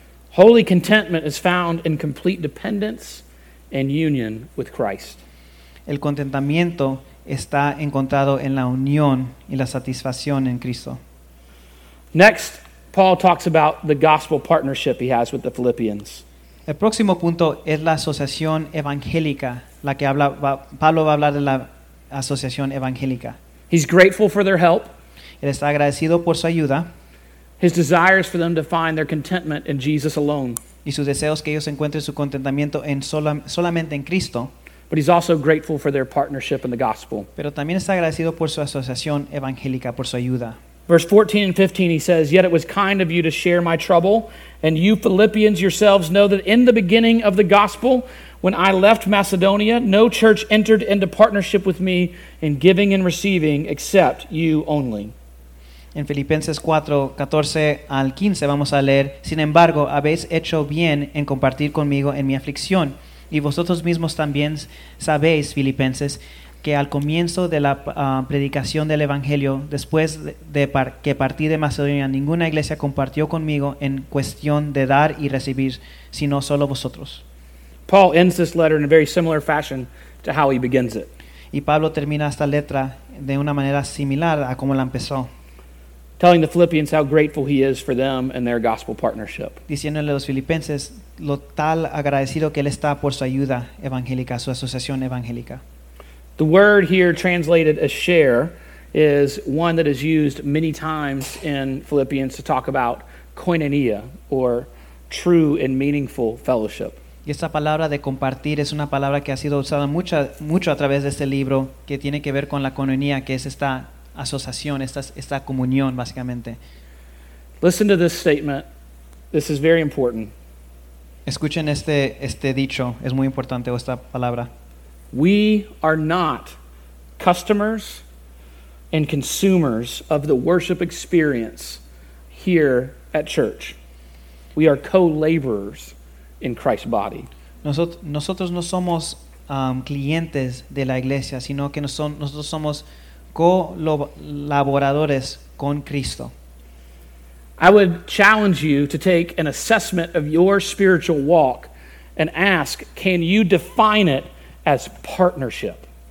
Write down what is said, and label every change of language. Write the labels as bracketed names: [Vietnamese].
[English] Holy contentment is found in complete dependence and union with Christ. [Spanish] El contentamiento está encontrado en la unión y la satisfacción en Cristo. [English] Next, Paul talks about the gospel partnership he has with the Philippians. [Spanish] El próximo punto es la asociación evangélica, la que habla Pablo va a hablar de la asociación evangélica. [English] He's grateful for their help. [Spanish] Él está agradecido por su ayuda. [English] His desire is for them to find their contentment in Jesus alone. [Spanish] Y sus deseos que ellos encuentren su contentamiento en solamente en Cristo. [English] But he's also grateful for their partnership in the gospel. [Spanish] Pero también está agradecido por su asociación evangélica, por su ayuda. [English] Verse 14 and 15, he says, yet it was kind of you to share my trouble, and you Philippians yourselves know that in the beginning of the gospel, when I left Macedonia, no church entered into partnership with me in giving and receiving except you only. [Spanish] En Filipenses 4, 14 al 15 vamos a leer, sin embargo, habéis hecho bien en compartir conmigo en mi aflicción. Y vosotros mismos también sabéis, Filipenses, que al comienzo de la predicación del Evangelio, después de que partí de Macedonia, ninguna iglesia compartió conmigo en cuestión de dar y recibir, sino solo vosotros. [English] Paul ends this letter in a very similar fashion to how he begins it. [Spanish] Y Pablo termina esta letra de una manera similar a como la empezó. [English] Telling the Philippians how grateful he is for them and their gospel partnership. [Spanish] Diciéndole a los filipenses lo tal agradecido que él está por su ayuda evangélica, su asociación evangélica. [English] The word here translated as share is one that is used many times in Philippians to talk about koinonia or true and meaningful fellowship. [Spanish] Y esta palabra de compartir es una palabra que ha sido usada mucho a través de este libro que tiene que ver con la koinonia, que es esta asociación, esta comunión, básicamente. [English] Listen to this statement. This is very important. [Spanish] Escuchen este dicho. Es muy importante esta palabra. [English] We are not customers and consumers of the worship experience here at church. We are co-laborers in Christ's body. [Spanish] Nosotros no somos clientes de la iglesia, sino que nosotros somos colaboradores con Cristo. [English] I would challenge you to take an assessment of your spiritual walk and ask, can you define it as partnership?